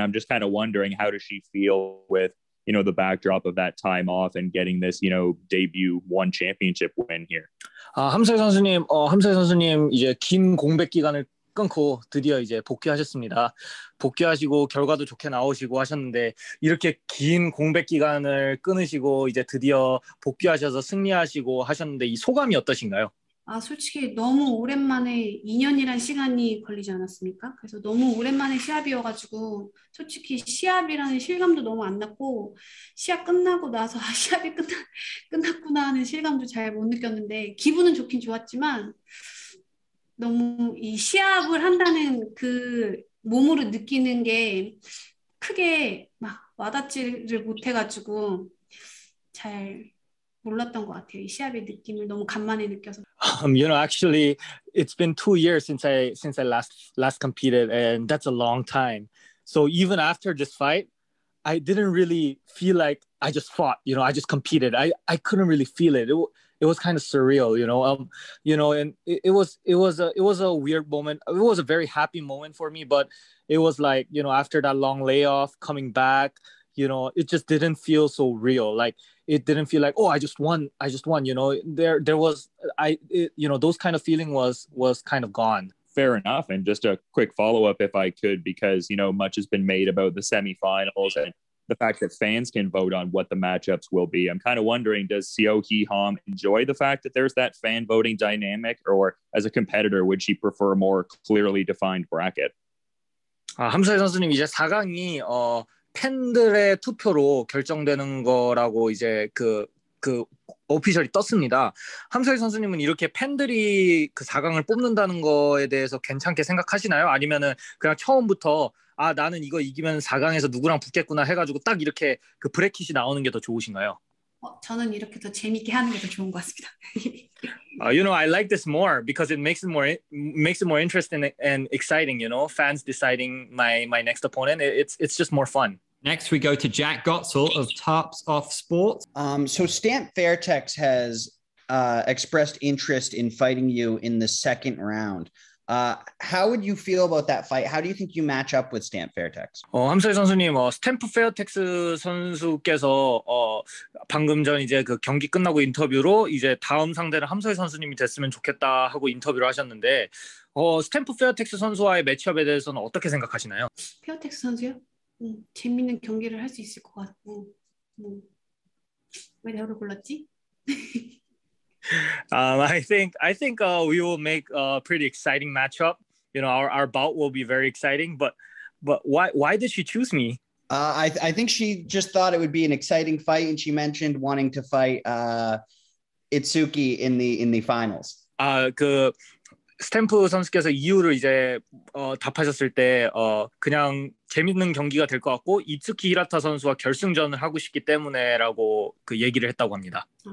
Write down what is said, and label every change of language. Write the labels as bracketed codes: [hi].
[en] I'm just kind of wondering, how does she feel with, you know, the backdrop of that time off and getting this, you know, debut ONE Championship win here. [ko] 함서희 선수님, 함서희 선수님 이제 긴 공백 기간을 끊고 드디어 이제 복귀하셨습니다. 복귀하시고 결과도 좋게 나오시고 하셨는데 이렇게 긴 공백 기간을 끊으시고 이제 드디어 복귀하셔서 승리하시고 하셨는데 이 소감이 어떠신가요? 솔직히 너무 오랜만에 2년이란 시간이 걸리지 않았습니까? 그래서 너무 오랜만에 시합이어가지고 솔직히 시합이라는 실감도 너무 안 났고 시합 끝나고 나서 시합이 끝났구나 하는 실감도 잘 못 느꼈는데 기분은 좋긴 좋았지만 너무 이 시합을 한다는 그 몸으로 느끼는 게 크게 막 와닿지를 못해가지고 잘 몰랐던 것 같아요. 이 시합의 느낌을 너무 간만에 느껴서. [en] You know, actually, it's been 2 years since I last competed, and that's a long time. So even after this fight, I didn't really feel like I just fought. You know, I just competed. I couldn't really feel it. It was kind of surreal. It was a weird moment. It was a very happy moment for me, but it was like, you know, after that long layoff, coming back, you know, it just didn't feel so real. Like, it didn't feel like, oh, I just won, you know. There was, those kind of feeling was kind of gone. fair enough. And just a quick follow-up, if I could, because, you know, much has been made about the semifinals and the fact that fans can vote on what the matchups will be. I'm kind of wondering, does Seo Hee Hom enjoy the fact that there's that fan voting dynamic, or as a competitor, would she prefer a more clearly defined bracket? [ko] 함사 선수님, 이제 4강이 팬들의 투표로 결정되는 거라고 이제 그 오피셜이 떴습니다. 함서희 선수님은 이렇게 팬들이 그 4강을 뽑는다는 거에 대해서 괜찮게 생각하시나요? 아니면은 그냥 처음부터 아 나는 이거 이기면 4강에서 누구랑 붙겠구나 해가지고 딱 이렇게 그 브래킷이 나오는 게 더 좋으신가요? 저는 이렇게 더 재밌게 하는 게 더 좋은 것 같습니다. [en] you know, I like this more because it makes it more interesting and exciting. You know, fans deciding my next opponent. It's just more fun. Next, we go to Jack Gotzel of Tops Off Sports. So Stamp Fairtex has expressed interest in fighting you in the second round. How would you feel about that fight? How do you think you match up with Stamp Fairtex? [ko] 함서희 선수님, 스탬프 페어텍스 선수께서 방금 전 이제 그 경기 끝나고 인터뷰로 이제 다음 상대는 함서희 선수님이 됐으면 좋겠다 하고 인터뷰를 하셨는데 스탬프 페어텍스 선수와의 매치업에 대해서는 어떻게 생각하시나요? 페어텍스 선수요? 재밌는 경기를 할 수 있을 것 같고 왜 대우를 골랐지? [en] I think we will make a pretty exciting matchup. You know, our bout will be very exciting. But why did she choose me? I think she just thought it would be an exciting fight, and she mentioned wanting to fight Itsuki in the finals. [ko] 그 스탬프 선수께서 이유를 이제 답하셨을 때 그냥 재밌는 경기가 될 것 같고 이츠키 히라타 선수와 결승전을 하고 싶기 때문에라고 그 얘기를 했다고 합니다.